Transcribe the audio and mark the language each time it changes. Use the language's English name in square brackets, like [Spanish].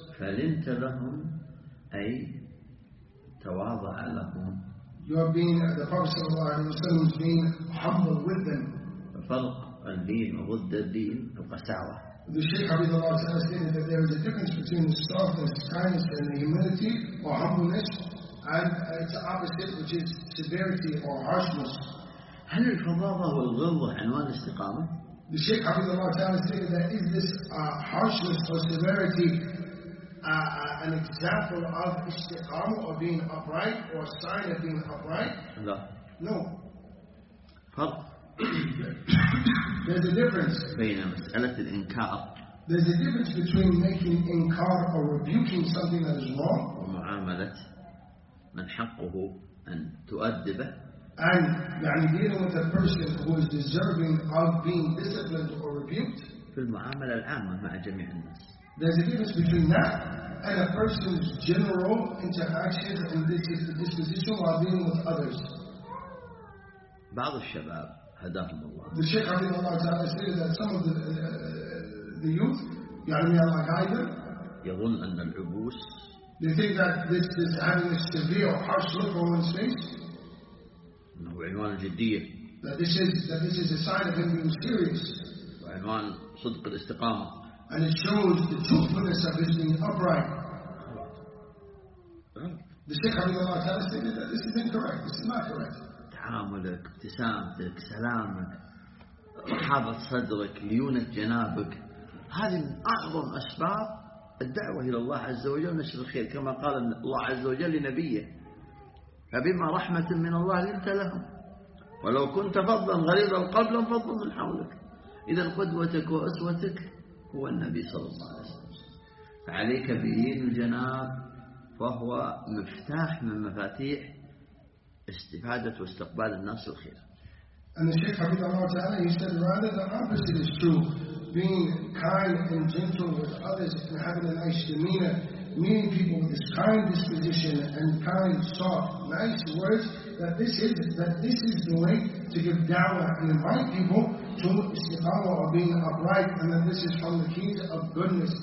[Arabic] فلنت لهم أي تواضع لهم. [English] You are being, the Prophet sallallahu alayhi wa sallam is being humble with them. [Arabic] ففرق الدين وضد الدين القساوة. [English] The Shaykh Hafidhullah Ta'ala stated that there is a difference between the softness, kindness, and the humility or humbleness, and it's the opposite, which is severity or harshness. [Arabic] هل الفظاظة والغلظة عنوان استقامة؟ [English] The Shaykh Hafidhullah Ta'ala stated that is this harshness or severity an example of istiqamah or being upright or a sign of being upright? No. No. [Arabic] فرق. [English] There's a difference. [Arabic] بين مسألة الإنكار. [English] There's a difference between making inkar or rebuking something that is wrong. [Arabic] ومعاملة من حقه أن تؤدبه. [English] And [Arabic] يعني [English] dealing with a person who is deserving of being disciplined or rebuked. [Arabic] في المعاملة العامة مع جميع الناس. [English] There's a difference between that and a person's general interactions and disposition while dealing with others. [Arabic] بعض الشباب هداهم الله. [English] The Shaykh Hafidhullah Ta'ala stated that some of the youth, [Arabic] يعني الله قايدهم, يظن أن العبوس, [English] they think that this is having a severe or harsh look on one's face. [Arabic] إنه عنوان جدية. [English] That this is a sign of him being serious. [Arabic] وعنوان صدق الاستقامة. [English] And it shows the truthfulness of his being upright. The Shaykh Hafidhullah Ta'ala stated that this is incorrect. This is not correct. [Arabic] تعاملك, ابتسامتك, سلامك, رحابة صدرك, ليونة جنابك, هذه من أعظم أسباب الدعوة إلى الله عز وجل نشر الخير, كما قال الله عز وجل لنبيه, فبما رحمة من الله لنت لهم ولو كنت فظا غليظ القلب لانفضوا من حولك. إذا قدوتك وأسوتك هو النبي صلى الله عليه وسلم, فعليك بلين الجناب, فهو مفتاح من مفاتيح استفادة واستقبال الناس الخير. [English] And the Shaykh Hafidhullah Ta'ala, he said rather the opposite is true. Being kind and gentle with others and having a nice demeanor, meeting people with this kind disposition and kind, soft, nice words, that this is the way to give da'wah and invite people to istiqamah or being upright, and that this is from the keys of goodness.